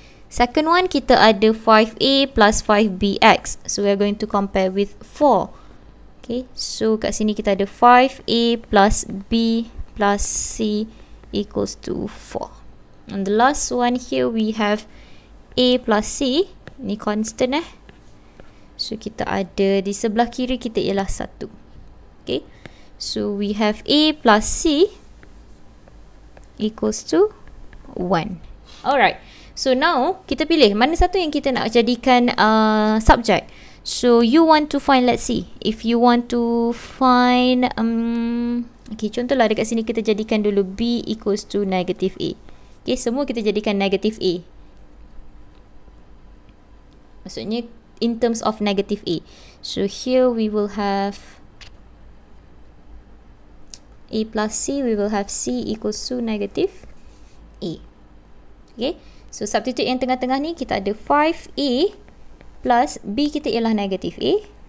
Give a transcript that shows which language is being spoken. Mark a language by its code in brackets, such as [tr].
[en] Second one, [ms] kita ada [en] 5a plus 5bx. So we are going to compare with 4. Okay, so [ms] kat sini kita ada [en] 5a plus b plus c equals to 4. And the last one here, we have a plus c. [ms] Ni constant eh. So, kita ada di sebelah kiri kita ialah 1. Okay. [en] So, we have A plus C equals to 1. Alright. [ms] So, now kita pilih mana satu yang kita nak jadikan subject. [en] So, you want to find, let's see. If you want to find, okay, [ms] contohlah dekat sini kita jadikan dulu [en] B equals to negative A. [ms] Okay, semua kita jadikan negative A. [en] Maksudnya, in terms of negative a. So here we will have a plus c, we will have c equals to negative a. Okay, so substitute [ms] yang tengah-tengah ni, kita ada 5a plus b kita ialah negative a.